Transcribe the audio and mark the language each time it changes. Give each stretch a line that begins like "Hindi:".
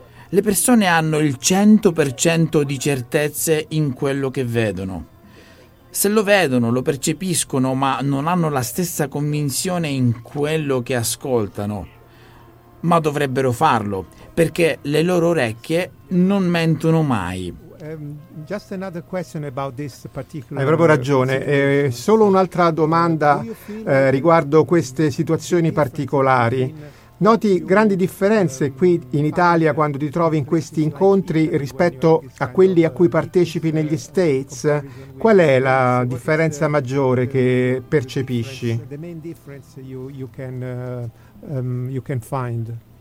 Italian: Le persone hanno il 100% di certezze in quello che vedono. Se lo vedono, lo percepiscono, ma non hanno la stessa convinzione in quello che ascoltano. Ma dovrebbero farlo, perché le loro orecchie non mentono mai.
English: Just another question about this particular.
Italian: Hai proprio ragione. Solo un'altra domanda riguardo queste situazioni particolari. Noti grandi differenze qui in Italia quando ti trovi in questi incontri rispetto a quelli a cui partecipi negli States? Qual è la differenza maggiore che percepisci?
English: The main difference you can find.